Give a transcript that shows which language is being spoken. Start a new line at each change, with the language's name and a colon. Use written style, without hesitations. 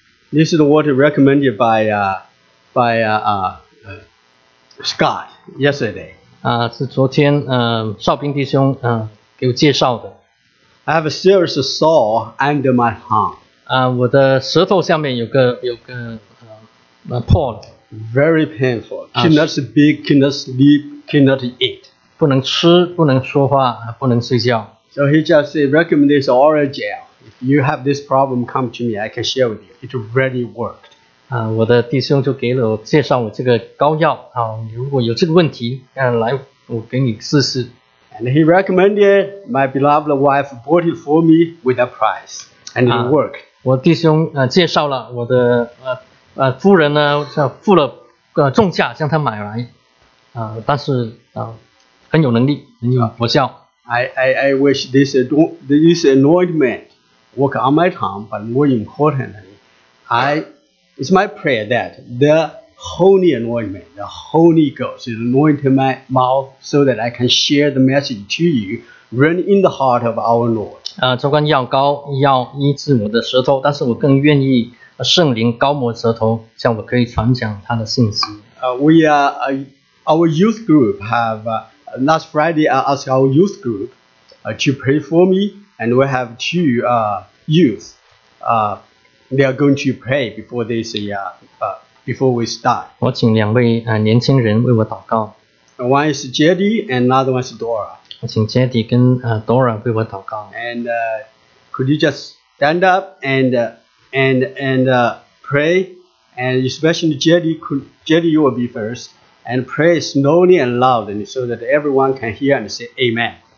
English: This is the water recommended by Scott yesterday.
Chinese: 啊，是昨天少平弟兄给我介绍的。
English: I have a serious sore under my tongue.
Chinese: 啊，我的舌头下面有个破了。
English: Very painful. Cannot speak, cannot sleep, cannot eat.
Chinese: 不能吃，不能说话，不能睡觉。
English: So he just said, recommend this oral gel. If you have this problem, come to me. I can share with you. It really worked.
Chinese: 我的弟兄就给了我介绍我这个膏药。如果有这个问题，来，我给你试试。
English: And he recommended my beloved wife bought it for me with a price, and it worked.
Chinese: 我弟兄介绍了我的夫人呢，像付了重价向他买来，但是很有能力，很有果效。
English: I wish this anointment work on my tongue, but more importantly, it's my prayer that the holy anointment, the Holy Ghost, is anointing my mouth so that I can share the message to you, run in the heart of our Lord.
Chinese: 这罐药膏要医治我的舌头，但是我更愿意。圣灵膏抹舌头，像我可以传讲他的信息。
English: Our youth group last Friday I asked our youth group to pray for me, and we have two youth. They are going to pray before they say before we start.
Chinese: 我请两位年轻人为我祷告。
English: One is Jedi and another one is Dora.
Chinese: 我请 Jedi 跟Dora 为我祷告。
English: And could you just stand up and pray, and especially Jedi, you will be first, and pray slowly and loudly so that everyone can hear and say Amen.